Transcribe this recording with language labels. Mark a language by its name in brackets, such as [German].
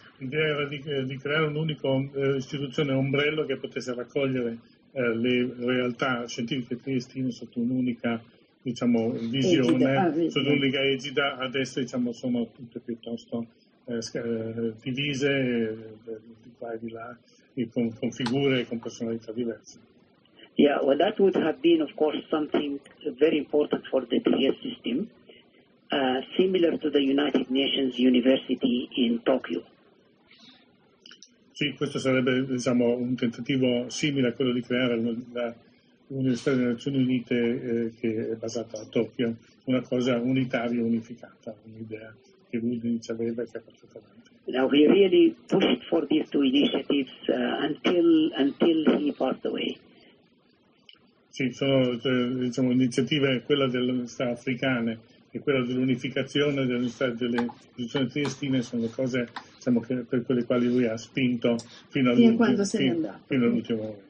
[Italian] L'idea era di creare un'unica istituzione, un ombrello che potesse raccogliere le realtà scientifiche triestine sotto un'unica, diciamo, visione, sotto un'unica egida. Adesso, diciamo, sono tutte piuttosto divise, di qua e di là, e con figure e con personalità diverse. [English] Yeah, well, that would have been, of course, something very important for the Trieste system, similar to the United Nations University in Tokyo. [Italian] Sì, questo sarebbe, diciamo, un tentativo simile a quello di creare l'Università delle Nazioni Unite che è basata a Tokyo, una cosa unitaria, unificata, un'idea che Ludwig aveva e che ha portato avanti. [English] Now, he really pushed for these two initiatives until he passed away. [Italian] Sì, sono, diciamo, iniziative, quella delle università africane e quella dell'unificazione delle istituzioni triestine, sono le cose, diciamo, che, per quelle quali lui ha spinto fino all'ultimo momento.